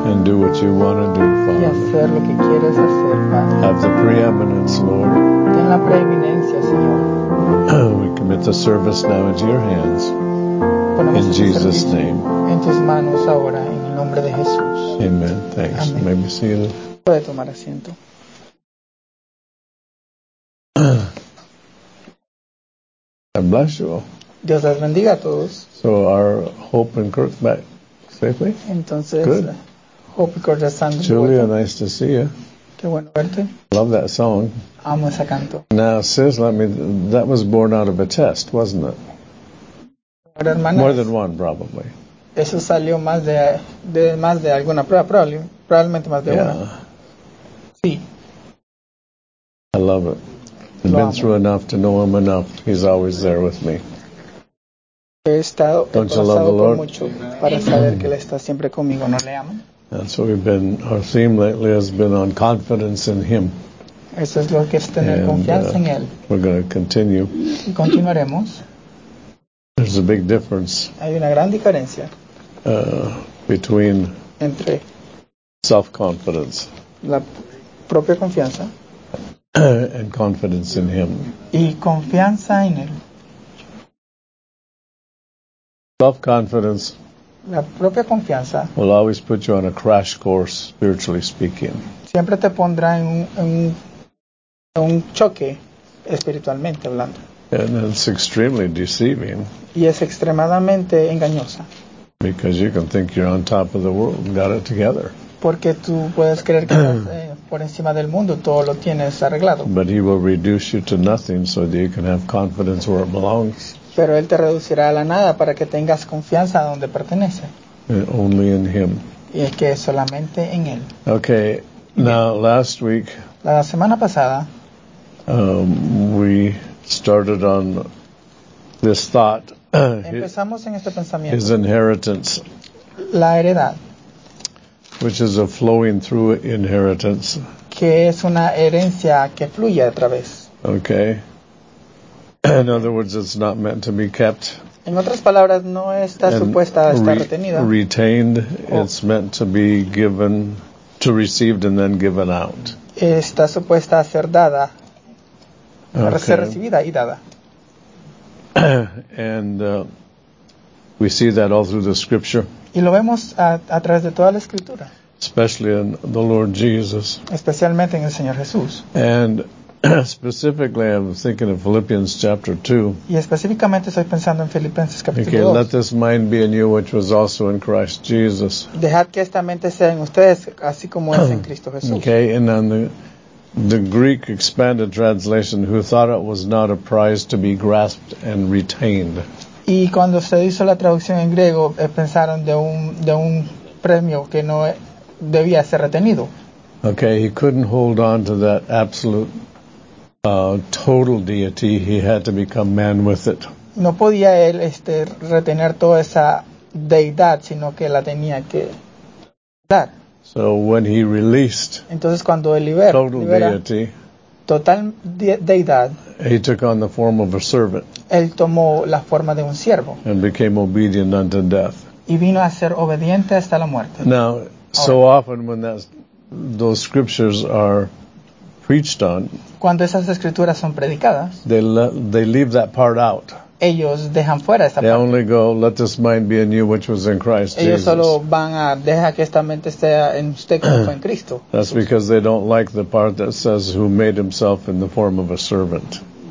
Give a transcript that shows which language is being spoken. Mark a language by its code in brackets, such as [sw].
[en] And do what you want to do, Father. [es] Y hacer lo que quieres hacer, Padre. [en] Have the preeminence, Lord. [es] Ten la preeminencia, Señor. [en] We commit the service now into your hands. [es] Ponemos [en] in Jesus' name. [es] En tus manos ahora, en el nombre de Jesús. [en] Amen. Thanks. [es] Amén. [en] May be seated. [es] Puede tomar asiento. [en] God bless you all. [es] Dios las bendiga a todos. [en] So our Hope and Kirk back safely. [es] Entonces, [en] good. [es] Hope and Kirk están de [en] Julia, [es] vuelta. [en] Nice to see you. [es] Qué bueno verte. [en] Love that song. [es] Amo ese canto. [en] Now, sis, let me. That was born out of a test, wasn't it? [es] Hermanas, [en] more than one, probably. [es] Eso salió más de alguna prueba, probablemente más de [en] yeah. [es] una. Sí. [en] I love it. I've been through enough to know him enough. He's always there with me. [es] He estado, [en] don't you love the Lord? [es] Para saber que él está siempre conmigo, no le amo. [en] That's what we've been, our theme lately has been on confidence in him. [es] Eso es lo que es tener [en] and, [es] confianza en él. [en] We're going to continue. [es] Y continuaremos. [en] There's a big difference. [es] Hay una gran diferencia. [en] Between [es] entre [en] self-confidence. [es] La propia confianza. [en] And confidence in him. [es] Y confianza en él. [en] Self-confidence. [es] La propia confianza. [en] Will always put you on a crash course, spiritually speaking. [es] Siempre te pondrá en un choque, espiritualmente hablando. [en] And it's extremely deceiving. [es] Y es extremadamente engañosa. [en] Because you can think you're on top of the world and got it together. [es] Porque tú puedes creer que estás por encima del mundo, todo lo tienes arreglado. [en] But he will reduce you to nothing so that you can have confidence where it belongs. [es] Pero él te reducirá a la nada para que tengas confianza donde pertenece. [en] And only in him. [es] Y es que es solamente en él. [en] Okay, now last week. [es] La semana pasada. [en] We started on this thought. [es] Empezamos en este pensamiento. [en] His inheritance. [es] La heredad. [en] Which is a flowing through inheritance. [es] Que es una herencia que fluye a través. [en] Okay. In other words, it's not meant to be kept. [es] En otras palabras, no está supuesta a estar retenida. [en] Retained, it's meant to be given, to received and then given out. [es] Está supuesta a ser dada, okay. Ser recibida y dada. [en] And we see that all through the scripture. [es] Y lo vemos a través de toda la escritura. [en] especially in the Lord Jesus. [es] Especialmente en el Señor Jesús. [en] And specifically, I'm thinking of Philippians chapter 2. [es] Y específicamente estoy pensando en Filipenses capítulo 2. [en] Okay, let this mind be in you, which was also in Christ Jesus. [es] Dejad que esta mente sea en ustedes, así como es en Cristo Jesús. [en] Okay, and then the Greek expanded translation, who thought it was not a prize to be grasped and retained. [es] Y cuando se hizo la traducción en griego, pensaron de un premio que no debía ser retenido. [en] Okay, he couldn't hold on to that absolute total deity. He had to become man with it. [es] No podía él retener toda esa deidad, sino que la tenía que dar. [en] So when he released, [es] entonces cuando él libera, [en] total deity, [es] total deidad, [en] he took on the form of a servant. [es] Él tomó la forma de un siervo. [en] And became obedient unto death. [es] Y vino a ser obediente hasta la muerte. [en] Now, [es] ahora, [en] so often when those scriptures are preached on, [es] cuando esas escrituras son predicadas, [en] they leave that part out. [es] Ellos dejan fuera esta [en] they [es] parte. [en] Only go, let this mind be in you which was in Christ [es] ellos [en] Jesus. [es] Ellos solo van a dejar que esta mente sea en usted como fue en Cristo. [en] That's Jesus. Because they don't like the part that says who made himself in the form of a servant.